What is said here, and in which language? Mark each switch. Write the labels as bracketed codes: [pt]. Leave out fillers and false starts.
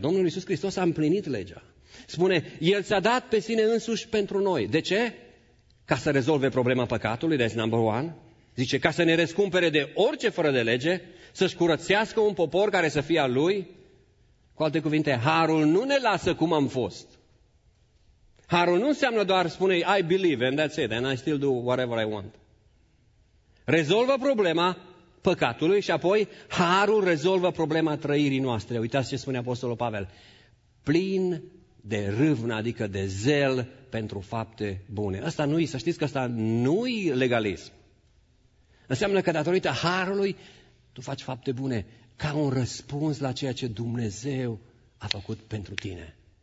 [ro] Domnul Iisus Hristos a împlinit legea. Spune, El s-a dat pe sine însuși pentru noi. De ce? Ca să rezolve problema păcatului, [en] that's number one. [ro] Zice, ca să ne răscumpere de orice fără de lege, să-și curățească un popor care să fie al Lui. Cu alte cuvinte, harul nu ne lasă cum am fost. Harul nu înseamnă doar, spune, [en] I believe and that's it, and I still do whatever I want. [ro] Rezolvă problema păcatului și apoi harul rezolvă problema trăirii noastre. Uitați ce spune Apostolul Pavel. Plin de râvnă, adică de zel pentru fapte bune. Asta nu-i, să știți că asta nu-i legalism. Înseamnă că datorită harului tu faci fapte bune ca un răspuns la ceea ce Dumnezeu a făcut pentru tine.